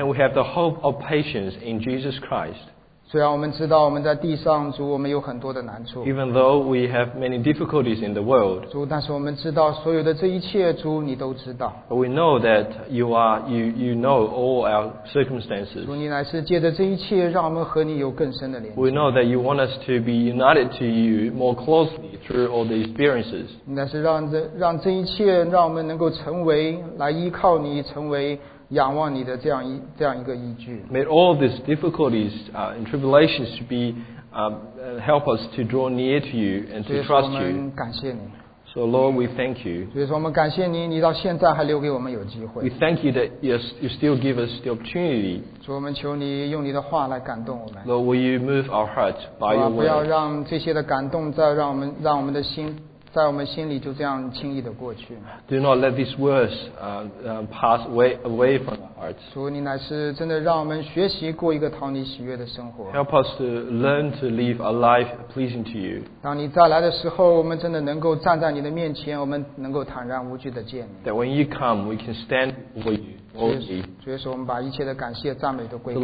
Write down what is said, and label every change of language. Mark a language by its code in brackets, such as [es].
[en] And we have the hope of patience in Jesus Christ. [zh] 虽然我们知道我们在地上，主，我们有很多的难处。 [en] Even though we have many difficulties in the world. [zh] 主，但是我们知道所有的这一切，主，你都知道。 [en] But we know that you know all our circumstances. [zh] 主，你乃是借着这一切，让我们和你有更深的连接。 [en] We know that you want us to be united to you more closely through all the experiences. [zh] 你乃是让这一切，让我们能够成为来依靠你，成为。仰望你的这样一个依据。 [en] May all these difficulties and tribulations be help us to draw near to you and to trust you. [zh] 所以说我们感谢你。 [en] So Lord, we thank you. [zh] 所以说我们感谢你，你到现在还留给我们有机会。 [en] We thank you that you still give us the opportunity. [zh] 主，我们求你用你的话来感动我们。 [en] Lord, will you move our hearts by your word? [zh] 不要让这些的感动再让我们的心在我们心里就这样轻易的过去。 [en] Do not let these words pass away from our hearts. [zh] 主，你乃是真的让我们学习过一个讨你喜悦的生活。 [en] Help us to learn to live a life pleasing to you. [zh] 当你再来的时候，我们真的能够站在你的面前，我们能够坦然无惧的见你。 [en] That when you come, we can stand before you boldly. [zh] 主耶稣，我们把一切的感谢、赞美都归给你。